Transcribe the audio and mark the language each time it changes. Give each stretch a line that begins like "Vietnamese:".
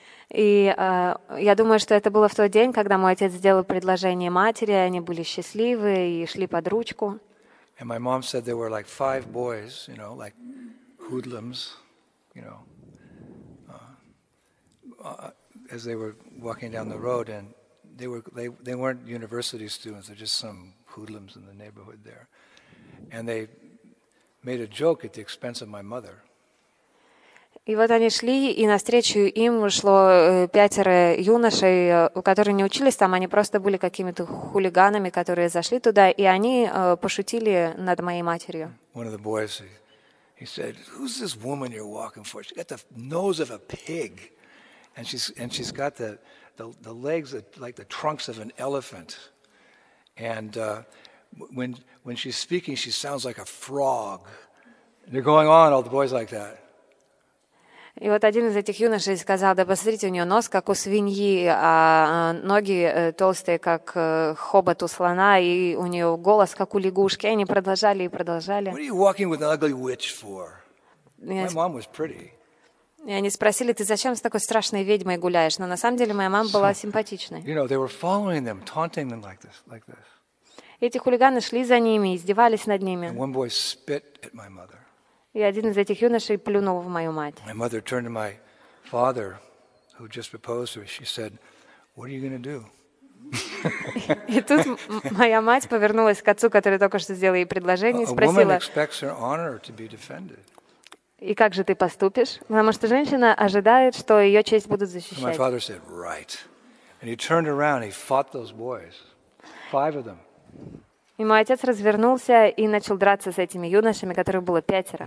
Russian: И я думаю, что это было в тот день, когда мой отец сделал предложение матери, они были счастливы и шли под ручку.
English: And my mom said there were like five boys, you know, like hoodlums, you know, as they were walking down the road, and they weren't university students, they're just some hoodlums in the neighborhood there. And they made a joke at the expense of my mother.
Russian: И вот они шли, и навстречу им шло пятеро юношей, которые не учились там, они просто были какими-то хулиганами, которые зашли туда, и они пошутили над моей матерью.
English: One of the boys, he said, "Who's this woman you're walking for? She's got the nose of a pig, and she's got the legs that, like the trunks of an elephant, and when she's speaking, she sounds like a frog." And they're going on, all the boys like that.
Russian: И вот один из этих юношей сказал, да посмотрите, у нее нос как у свиньи, а ноги толстые, как хобот у слона, и у нее голос как у лягушки. И они продолжали и продолжали.
English: What are you walking with an ugly witch for? My mom was pretty.
Russian: И они спросили, ты зачем с такой страшной ведьмой гуляешь? Но на самом деле моя мама была симпатичной.
English: You know, they were following them, taunting them like this, like this.
Russian: Эти хулиганы шли за ними, издевались над ними.
English: And one boy spit at my mother.
Russian: И один из этих юношей плюнул в мою мать.
English: My mother turned to my father, who just proposed to her. She said, "What are you going to do?"
Russian: И тут моя мать повернулась к отцу, который только что сделал ей предложение, и спросила: "A woman expects her honor to be defended." И как же ты поступишь? Потому что женщина ожидает, что ее честь будут защищать.
English: My father said, "Right," and he turned around. He fought those boys, five of them.
Russian: И мой отец развернулся и начал драться с этими юношами, которых было пятеро.